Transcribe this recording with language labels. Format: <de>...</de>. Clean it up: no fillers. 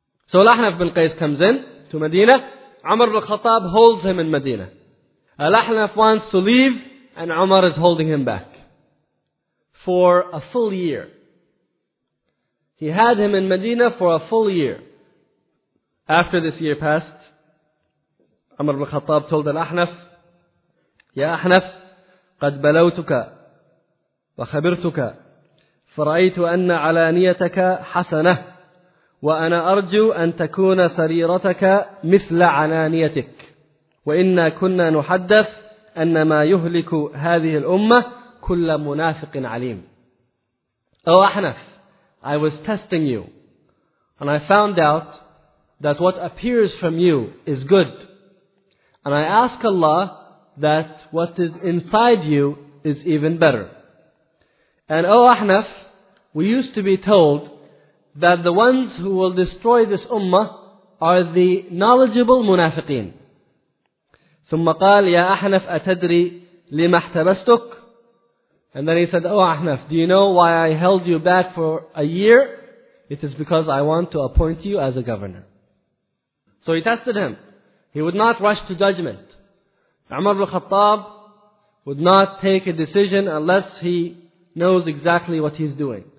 <en>So Al-Ahnaf ibn Qais comes in to Medina. Umar ibn Khattab holds him in Medina. Al-Ahnaf wants to leave, and Umar is holding him back for a full year. He had him in Medina for a full year. After this year passed, Umar ibn Khattab told Al-Ahnaf,</en> <ar>يا أحنف قد بلوتك وخبرتك فرأيت أن علانيتك حسنة وأنا أرجو أن تكون سريرتك مثل علانيتك وإنا كنا نحدث أن ما يهلك هذه الأمة كل منافق عليم.</ar> <en>Oh Ahnaf, I was testing you and I found out that what appears from you is good, and I ask Allah that what is inside you is even better. And oh Ahnaf, we used to be told that the ones who will destroy this ummah are the knowledgeable munafiqeen.</en> <ar>ثم قال يا أحنف أتدري لما احتبستك.</ar> <en>And then he said, oh Ahnaf, do you know why I held you back for a year? It is because I want to appoint you as a governor. So he tested him. He would not rush to judgment. Umar ibn Khattab would not take a decision unless he knows exactly what he's doing.</en>